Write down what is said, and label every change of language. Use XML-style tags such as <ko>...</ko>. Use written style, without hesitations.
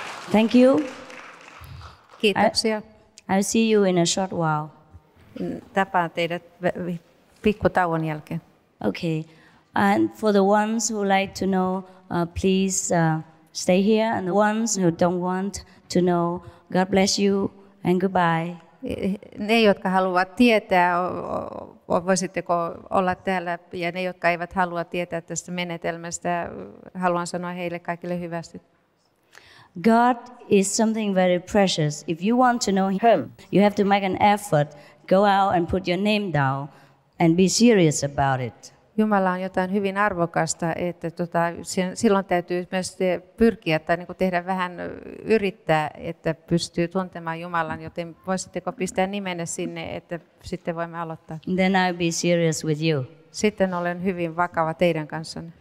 <en>Thank you.</en> <fi>Kiitoksia.</fi> <en>I'll see you in a short while.</en> <fi>Tapaan teidät pikku tauon jälkeen.</fi> <en>Okay. And for the ones who like to know, please stay here. And the ones who don't want to know, God bless you and goodbye.</en> <fi>Ne, jotka haluavat tietää, voisitteko olla täällä. Ja ne, jotka eivät halua tietää tästä menetelmästä, haluan sanoa heille kaikille hyvästi.</fi> <en>God is something very precious. If you want to know Him, you have to make an effort. Go out and put your name down and be serious about it.</en> <fi>Jumala on jotain hyvin arvokasta, että silloin täytyy myös pyrkiä tai niin kuin tehdä vähän yrittää, että pystyy tuntemaan Jumalan, joten voisitteko pistää nimenne sinne, että sitten voimme aloittaa.</fi> <en>Then I'll be serious with you.</en> <fi>Sitten olen hyvin vakava teidän kanssanne.</fi>